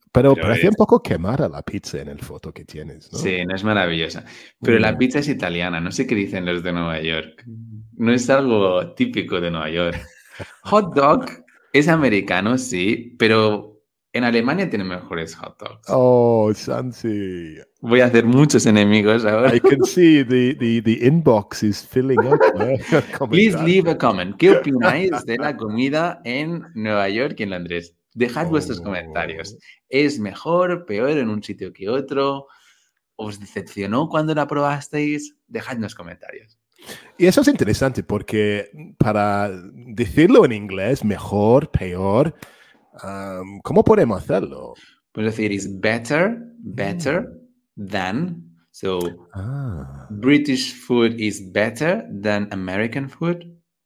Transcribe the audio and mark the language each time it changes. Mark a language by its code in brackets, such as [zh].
[es] Pero parece un poco quemada la pizza en el foto que tienes, ¿no? Sí, no es maravillosa. Pero la pizza es italiana, no sé qué dicen los de Nueva York. No es algo típico de Nueva York. Hot dog es americano, sí, pero en Alemania tienen mejores hot dogs. Oh, Santi. Voy a hacer muchos enemigos ahora. [en] I can see the inbox is filling up. Please leave a comment. [es] ¿Qué opináis de la comida en Nueva York y en Londres? Dejad vuestros comentarios. ¿Es mejor, peor en un sitio que otro? ¿Os decepcionó cuando la probasteis? Dejadnos comentarios. Y eso es interesante porque para decirlo en inglés, mejor, peor, ¿cómo podemos hacerlo? Pues decir, [en] is better than. So, British food is better than American food.